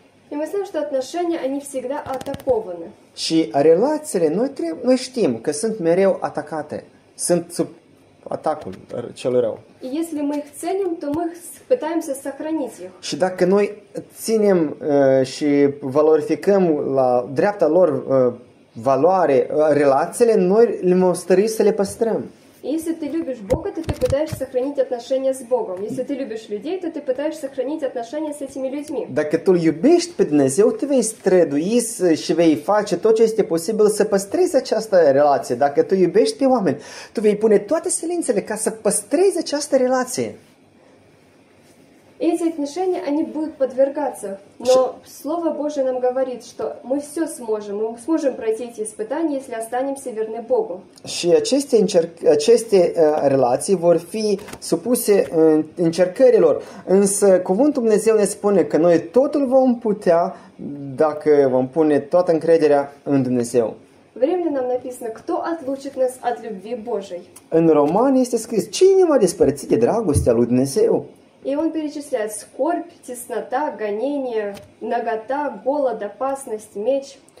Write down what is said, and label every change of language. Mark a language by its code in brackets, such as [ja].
[ru] И мы знаем, что отношения, они всегда атакованы. [ro] Și relațiile, noi știm că sunt mereu atacate, sunt sub atacul celor rău. [ru] И если мы их ценим, то мы пытаемся сохранить их. [ro] Și dacă noi ținem și valorificăm la dreapta lor valoare relațiile, noi le mostrăm să le păstrăm. [ru] И если ты любишь Бога, то ты пытаешься сохранить отношения с Богом. Если ты любишь людей, то ты пытаешься сохранить отношения с этими людьми. [ro] Dacă tu iubești pe Dumnezeu, tu vei strădui și vei face tot ce este posibil să păstrezi această relație. Dacă tu iubești pe oameni, tu vei pune toate silințele ca să păstrezi această relație. [ru] Эти отношения, они будут подвергаться, но Слово Божие нам говорит, что мы все сможем, мы сможем пройти эти испытания, если останемся верны Богу. [ro] Și aceste relații vor fi supuse încercărilor, însă Cuvântul Dumnezeu ne spune că noi totul vom putea dacă vom pune toată încrederea în Dumnezeu. [ru] В Римлянам написано, кто отлучит нас от любви Божией. [ro] În Romani este scris, cine va despărți de dragostea lui Dumnezeu? [ru] И он перечисляет скорбь, теснота, гонение, нагота, голод, опасность, меч.